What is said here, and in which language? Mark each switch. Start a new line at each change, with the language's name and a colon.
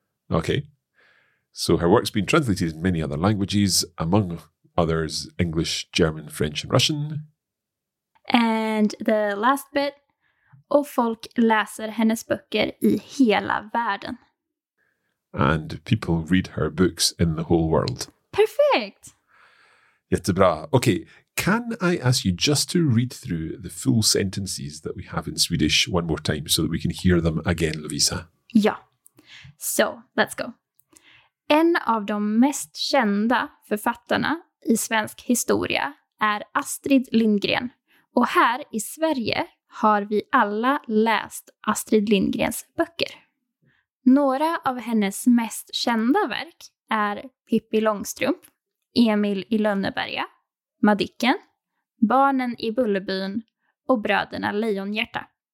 English: Okay, so her work's been translated in many other languages, among others, English, German, French and Russian. And the last bit,
Swedish: och folk läser hennes böcker i hela världen.
English: and people read her books in the whole world. Perfect.
Swedish: Jättebra.
English: Okay, can I ask you just to read through the full sentences that we have in Swedish one more time so that we can hear them again, Lovisa? Ja. So, let's go.
Swedish: En av de mest kända författarna i svensk historia är Astrid Lindgren. Och här i Sverige har vi alla läst Astrid Lindgrens böcker. Några av hennes mest kända verk är Pippi Långstrump, Emil i Lönneberga, Madicken, Barnen i Bullerbyn och Bröderna Lejonhjärta.